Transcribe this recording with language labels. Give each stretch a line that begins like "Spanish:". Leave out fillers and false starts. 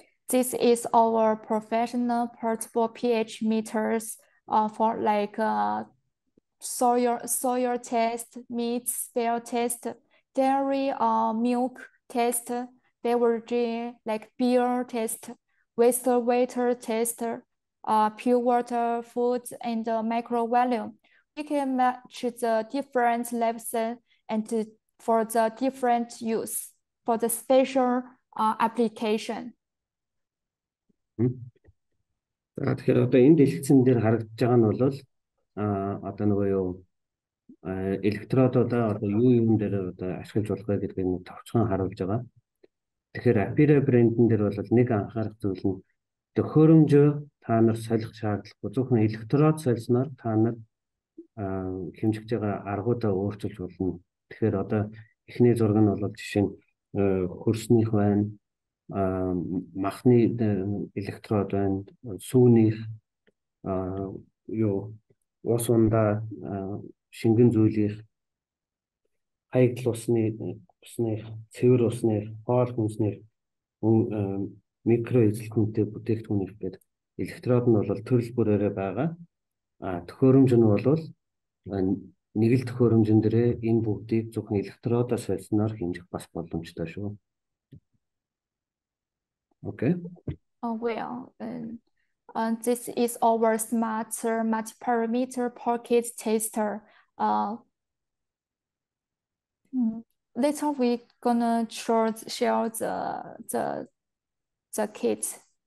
English: This is our professional portable pH meters for like soil test, meat spell test, dairy milk test, beverage like beer test, wastewater test, pure water, food, and micro volume. We can match the different levels and for the different use for the special application.
Mongolian: За тэгэхээр одоо энэ дэлгэцэн дээр харагдаж байгаа нь бол одоо нөгөө юу электродуудаа одоо юу юм дээр одоо ашиглаж болох вэ гэдгийг нь товчхон харуулж байгаа. Тэгэхээр APERA брэндэн дээр бол нэг анхаарах зүйл нь Төхөөрөмж та нар солих шаардлагагүй, зөвхөн электрод солисноор та нар хэмжигдэж байгаа аргуудаа өөрчилж болно. Тэгэхээр одоо эхний зураг нь бол жишээ нь хөрснийх байна, махны электрод байна, сүүнийх юу ус ундаа шингэн зүйлийн хаягдл усны усных цэвэр усны хоол хүнсний микро эзэлтэнүүдтэй бүтээгдэхүүнийх гээд электрод нь бол төрөл бүрээрээ байгаа. Төхөөрөмж нь бол нэг л төхөөрөмжн дээрээ энэ бүгдийг зөвхөн электродоо солисноор хэмжих бас боломжтой шүү. Окей.
English: Oh well, this is our smart multi-parameter pocket tester. Later we gonna share the kit.